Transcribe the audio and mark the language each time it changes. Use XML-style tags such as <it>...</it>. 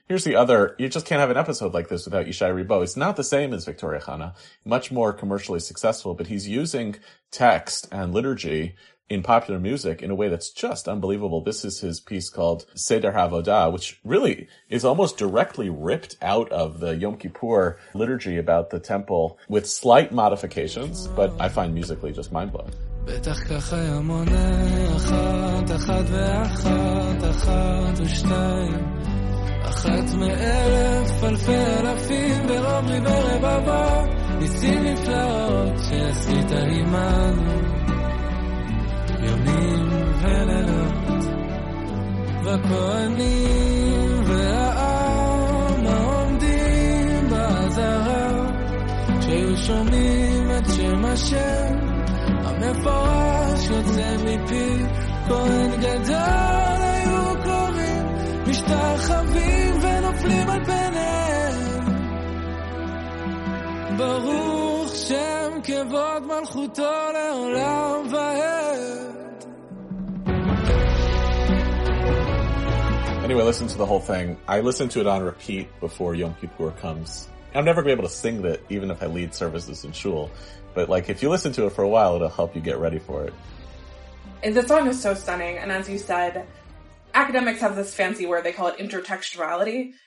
<en>Here's the other, you just can't have an episode like this without Yishai Rebo. It's not the same as Victoria Hanna, much more commercially successful, but he's using text and liturgy in popular music in a way that's just unbelievable. This is his piece called Seder HaVodah, which really is almost directly ripped out of the Yom Kippur liturgy about the temple with slight modifications, but I find musically just mind-blowing.</en> <he>בטח ככה ימונה אחת, אחת ואחת, אחת ושתיים אחת מאלף אלפי אלפים ברוב ריבי רבבה ניסים נפלאות שעשית עימנו ימים ולילות והכהנים והעם העומדים בעזרה שהיו שומעים את שם השם מפורש יוצא מפי כהן גדול היו קוראים משתחווים ונופלים על פניהם ברוך שם כבוד מלכותו לעולם ועד.</he> <en>Anyway, listen to the whole thing. I listen to it on repeat before Yom Kippur comes. I'm never going to be able to sing that even if I lead services in shul. But like, if you listen to it for a while, it'll help you get ready for it. The song is so stunning. And as you said, academics have this fancy word. They call it intertextuality.</en>